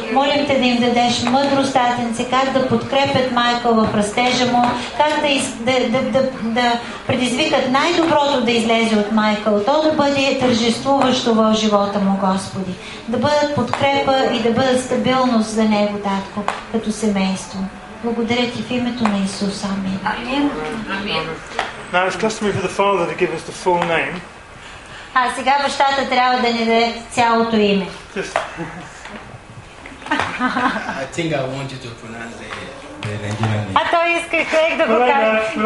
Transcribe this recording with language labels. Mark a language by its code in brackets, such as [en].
[bg] Молим те да им дадеш мъдрост, Татенце, как да подкрепят Майкъл в растежа му, как да предизвикат най-доброто да излезе от Майкъл, то да бъде тържествуващо в живота му, Господи. Да бъдат подкрепа и да бъдат стабилност за него, Татко, като семейство. Благодаря ти в името на Исус. Амин. [en] Now it's customary for the Father to give us the full name. [bg] А сега бащата трябва да ни даде цялото име. [en] I think I want you to pronounce the Nigerian name. [bg] А той иска Крейг да го каже.